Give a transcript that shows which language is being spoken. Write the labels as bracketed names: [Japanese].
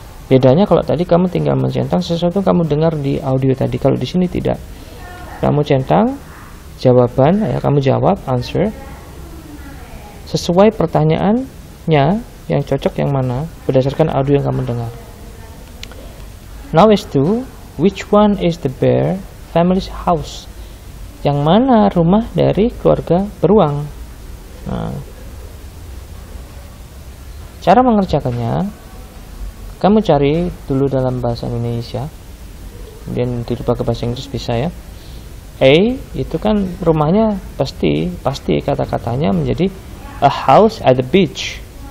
[Indonesian] Bedanya kalau tadi kamu tinggal mencentang sesuatu kamu dengar di audio tadi, kalau di sini tidak. Kamu centang jawaban, ya kamu jawab answer sesuai pertanyaannya yang cocok yang mana berdasarkan audio yang kamu dengar. [English] Now is two, which one is the bear family's house? [Indonesian] Yang mana rumah dari keluarga beruang? Nah, cara mengerjakannya, kamu cari dulu dalam bahasa Indonesia, kemudian dirubah ke bahasa Inggris bisa ya. A itu kan rumahnya pasti kata-katanya menjadi [English] a house at the beach.